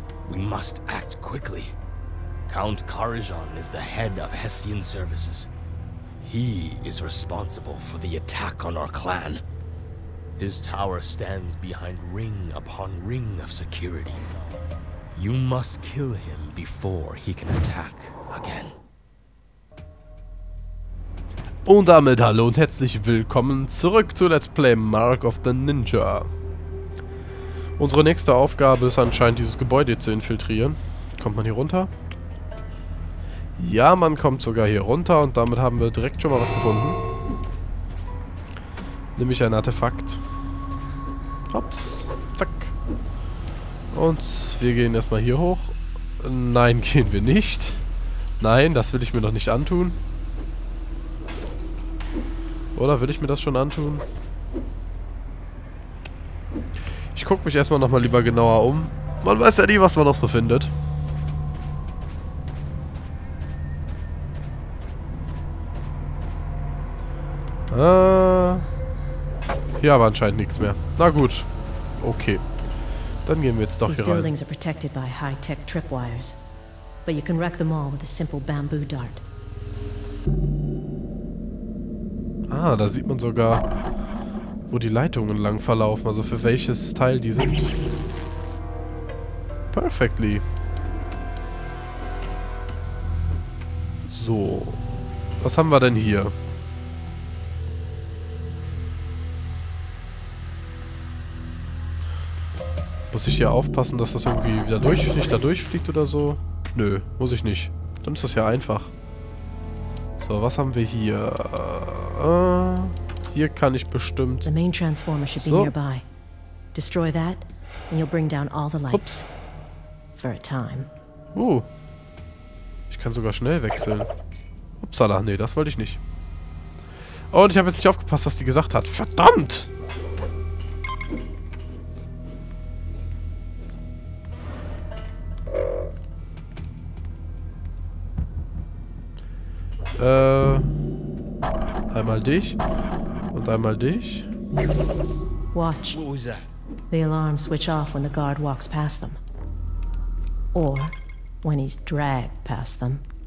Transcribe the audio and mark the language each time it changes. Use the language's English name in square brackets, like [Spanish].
[English] We must act quickly. Count Karajan is the head of Hessian services. He is responsible for the attack on our clan. His tower stands behind ring upon ring of security. You must kill him before he can attack again. [German] Und damit hallo und herzlich willkommen zurück zu Let's Play Mark of the Ninja. Unsere nächste Aufgabe ist anscheinend, dieses Gebäude zu infiltrieren. Kommt man hier runter? Ja, man kommt sogar hier runter und damit haben wir direkt schon mal was gefunden. Nämlich ein Artefakt. Hops, zack. Und wir gehen erstmal hier hoch. Nein, gehen wir nicht. Nein, das will ich mir noch nicht antun. Oder will ich mir das schon antun? Ich gucke mich erstmal nochmal lieber genauer um. Man weiß ja nie, was man noch so findet. Hier aber anscheinend nichts mehr. Na gut. Okay. Dann gehen wir jetzt doch hier rein. Diese Gebäude sind [English] protected by high-tech tripwires. But you can wreck them all with a simple bamboo dart. [German] Ah, da sieht man sogar, wo die Leitungen lang verlaufen, also für welches Teil die sind. [English] Perfectly. [German] So. Was haben wir denn hier? Muss ich hier aufpassen, dass das irgendwie wieder durch, nicht da durchfliegt oder so? Nö, muss ich nicht. Dann ist das ja einfach. So, was haben wir hier? Hier kann ich bestimmt. [English] The main transformer should be nearby. Destroy that and you'll bring down all the lights. Ups. For a time. [German] Ich kann sogar schnell wechseln. Upsala, nee, das wollte ich nicht. Und ich habe jetzt nicht aufgepasst, was die gesagt hat. Verdammt! Einmal dich und einmal dich. [English] Watch. What was that? The alarms switch off when the guard walks past them. Or when he's dragged past them.